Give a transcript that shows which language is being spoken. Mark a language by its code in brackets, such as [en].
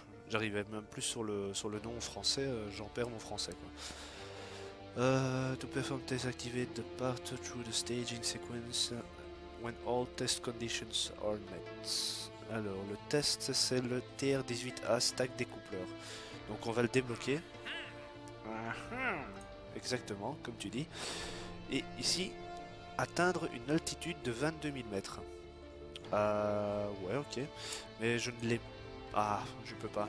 [fr] J'arrivais même plus sur le nom en français, j'en perds mon français quoi. [en] To perform test activate the part through the staging sequence when all test conditions are met. [fr] Alors le test c'est le TR-18A stack découpleur. Donc on va le débloquer. Exactement, comme tu dis. Et ici, atteindre une altitude de 22 000 mètres. Ouais, ok. Mais je ne l'ai pas. Ah, je peux pas.